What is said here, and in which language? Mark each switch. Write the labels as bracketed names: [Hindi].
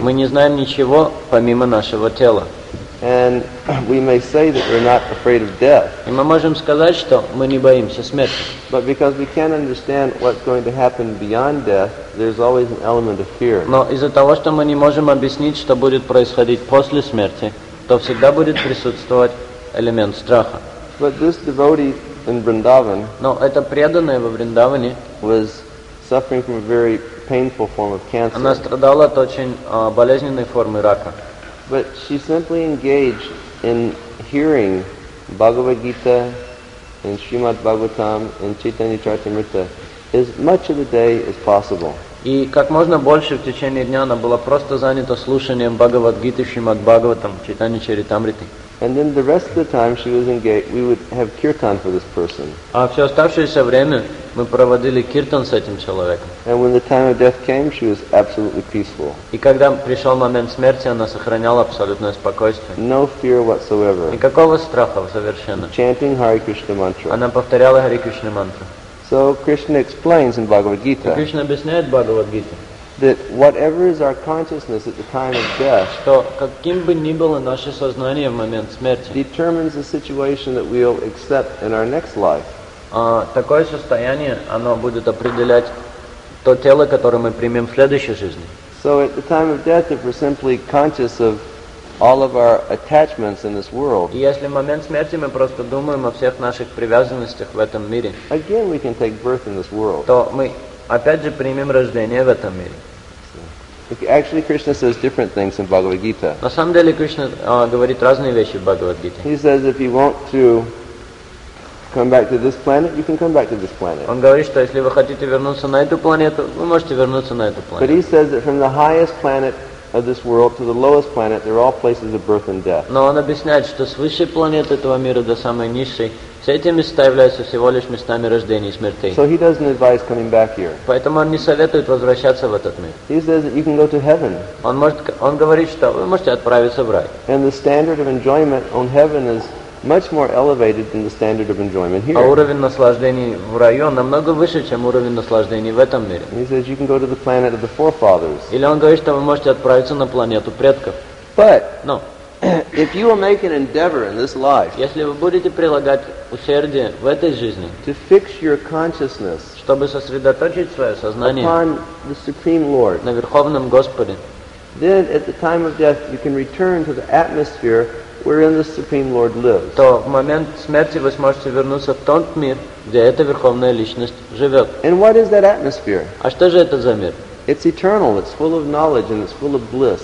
[Russian] Мы не знаем ничего помимо нашего тела. [English] And we may say that we're not afraid of death. [Russian] И мы можем сказать, что мы не боимся смерти. [English] But because we can't understand what's going to happen beyond death, there's always an element of fear. [Russian] Но из-за того, что мы не можем объяснить, что будет происходить после смерти, то всегда будет присутствовать элемент страха. [English] But this devotee in Vrindavan. [Russian] Но это преданное во Вриндаване [English] was suffering from a very painful form of cancer. [Russian] Она страдала от очень болезненной формы рака. [English] But she simply engaged in hearing Bhagavad Gita, in Srimad Bhagavatam, in Chaitanya Charitamrita as much of the day as possible. [Russian] И как можно больше в течение дня она была просто занята слушанием Бхагавад Гиты, Шримад Бхагаватам, Чайтанья Чаритамриты. [English] And then the rest of the time she was engaged, we would have kirtan for this person. [Russian] А все оставшееся время мы проводили киртан с этим человеком. [English] And when the time of death came, she was absolutely peaceful. [Russian] И когда пришел момент смерти, она сохраняла абсолютное спокойствие. [English] No fear whatsoever. [Russian] Никакого страха совершенно. [English] Chanting Hare Krishna mantra. [Russian] Она повторяла Hare Krishna mantra. [English] So Krishna explains in Bhagavad Gita. [Russian] Кришна объясняет в Бхагавад Гите. [English] That whatever is our consciousness at the time of death, [Russian] что каким бы ни было наше сознание в момент смерти, [English] determines the situation that we'll accept in our next life. [Russian] Такое состояние оно будет определять то тело, которое мы примем в следующей жизни. [English] So at the time of death, if we're simply conscious of all of our attachments in this world, [Russian] и если в момент смерти мы просто думаем о всех наших привязанностях в этом мире, [English] again we can take birth in this world. [Russian] То мы опять же примем рождение в этом мире. [English] Actually, Krishna says different things in Bhagavad Gita. [Russian] На самом деле Кришна говорит разные вещи в Бхагавад Гите. [English] He says if you want to come back to this planet, you can come back to this planet. [Russian] Он говорит, что если вы хотите вернуться на эту планету, вы можете вернуться на эту планету. [English] But he says that from the highest planet of this world to the lowest planet, there are all places of birth and death. [Russian] Но он объясняет, что с высшей планеты этого мира до самой низшей все эти места являются всего лишь местами рождения и смерти. [English] So he doesn't advise coming back here. [Russian] Поэтому он не советует возвращаться в этот мир. [English] He says that you can go to heaven. [Russian] Он говорит, что вы можете отправиться в рай. [English] And the standard of enjoyment on heaven is much more elevated than the standard of enjoyment here. [Russian] А уровень наслаждений в раю намного выше, чем уровень наслаждений в этом мире. [English] He says you can go to the planet of the forefathers. [Russian] Или он говорит, что вы можете отправиться на планету предков. [English] But no. If you will make an endeavor in this life, [Russian] если вы будете прилагать усердие в этой жизни, [English] to fix your consciousness, [Russian] чтобы сосредоточить свое сознание [English] upon the Supreme Lord, [Russian] на Верховном Господе, [English] then at the time of death you can return to the atmosphere wherein the Supreme Lord lives. [Russian] То в момент смерти вы сможете вернуться в тот мир, где эта Верховная Личность живет. [English] And what is that atmosphere? [Russian] А что же это за мир? [English] It's eternal. It's full of knowledge and it's full of bliss.